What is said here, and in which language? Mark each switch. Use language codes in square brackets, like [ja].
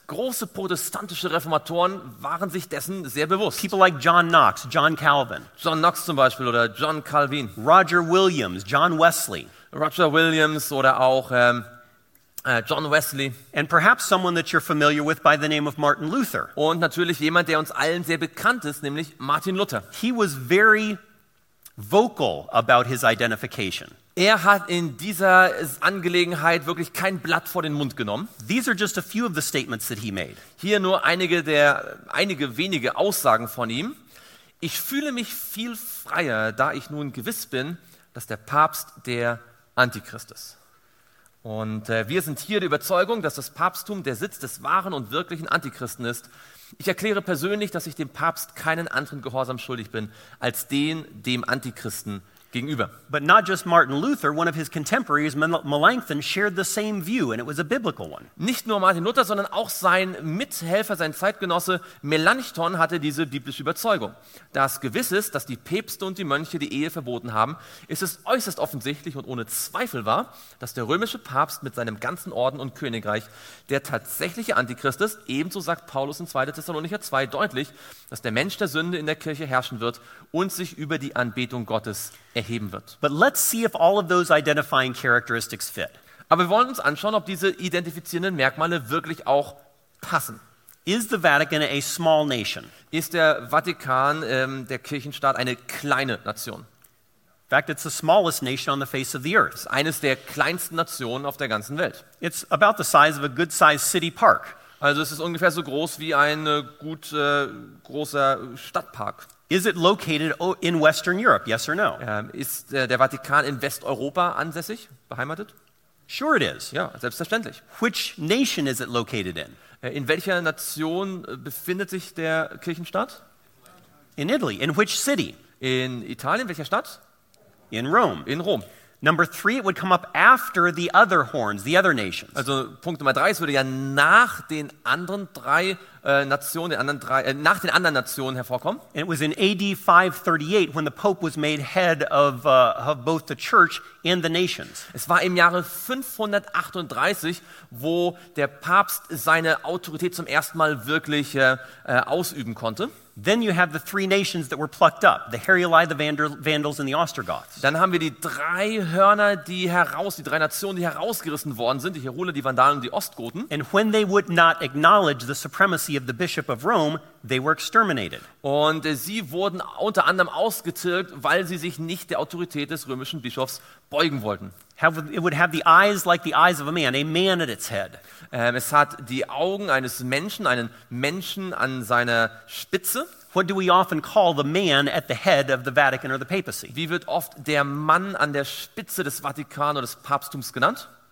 [de] Große protestantische Reformatoren waren sich dessen sehr bewusst. [en] People like John Knox, John Calvin. [de] John Knox zum Beispiel oder John Calvin. [en] Roger Williams, John Wesley. [de] Roger Williams oder auch John Wesley. [en] And perhaps someone that you're familiar with by the name of Martin Luther. [de] Und natürlich jemand, der uns allen sehr bekannt ist, nämlich Martin Luther. [en] He was very vocal about his identification. [de] Er hat in dieser Angelegenheit wirklich kein Blatt vor den Mund genommen. [en] These are just a few of the statements that he made. [de] Hier nur einige wenige Aussagen von ihm. Ich fühle mich viel freier, da ich nun gewiss bin, dass der Papst der Antichrist ist. Und wir sind hier der Überzeugung, dass das Papsttum der Sitz des wahren und wirklichen Antichristen ist. Ich erkläre persönlich, dass ich dem Papst keinen anderen Gehorsam schuldig bin, als den dem Antichristen gegenüber. [en] But not just Martin Luther, one of his contemporaries, Melanchthon, shared the same view, and it was a biblical one. [de] Nicht nur Martin Luther, sondern auch sein Mithelfer, sein Zeitgenosse Melanchthon hatte diese biblische Überzeugung. Da es gewiss ist, dass die Päpste und die Mönche die Ehe verboten haben, ist es äußerst offensichtlich und ohne Zweifel wahr, dass der römische Papst mit seinem ganzen Orden und Königreich der tatsächliche Antichrist ist. Ebenso sagt Paulus in 2. Thessalonicher 2 deutlich, dass der Mensch der Sünde in der Kirche herrschen wird und sich über die Anbetung Gottes erheben wird. [en] But let's see if all of those identifying characteristics fit. [de] Aber wir wollen uns anschauen, ob diese identifizierenden Merkmale wirklich auch passen. [en] Is the Vatican a small nation? [de] Ist der Vatikan, der Kirchenstaat, eine kleine Nation? [en] In fact, it's the smallest nation on the face of the earth. [de] Es ist eines der kleinsten Nationen auf der ganzen Welt. [en] It's about the size of a good-sized city park. [de] Also es ist ungefähr so groß wie ein gut großer Stadtpark. [en] Is it located in Western Europe? Yes or no? [de] Ist der Vatikan in Westeuropa ansässig, beheimatet? [en] Sure it is. [de] Ja, selbstverständlich. [en] Which nation is it located in? [de] In welcher Nation befindet sich der Kirchenstaat? [en] In Italy. In which city? [de] In Italien, welcher Stadt? [en] In Rome. [de] In Rom. [en] Number three, it would come up after the other horns, the other nations. [de] Also Punkt Nummer drei, es würde ja nach den anderen drei Nationen, nach den anderen Nationen hervorkommen. [en] And it was in AD 538 when the Pope was made head of both the church and the nations. [de] Es war im Jahre 538, wo der Papst seine Autorität zum ersten Mal wirklich ausüben konnte. [en] Then you have the three nations that were plucked up, the Heruli, the Vandals and the Ostrogoths. [de] Dann haben wir die drei Hörner, die drei Nationen, die herausgerissen worden sind, die Heruli, die Vandalen und die Ostgoten. [en] And when they would not acknowledge the supremacy of the Bishop of Rome, they were exterminated. [de] Und sie wurden unter anderem ausgetilgt, weil sie sich nicht der Autorität des römischen Bischofs beugen wollten. [en] It would have the eyes like the eyes of a man at its head. [de] Es hat die Augen eines Menschen, einen Menschen an seiner Spitze. [en] What do we often call the man at the head of the Vatican or the papacy? [de] Wie wird oft der Mann an der Spitze des Vatikan oder des Papsttums genannt?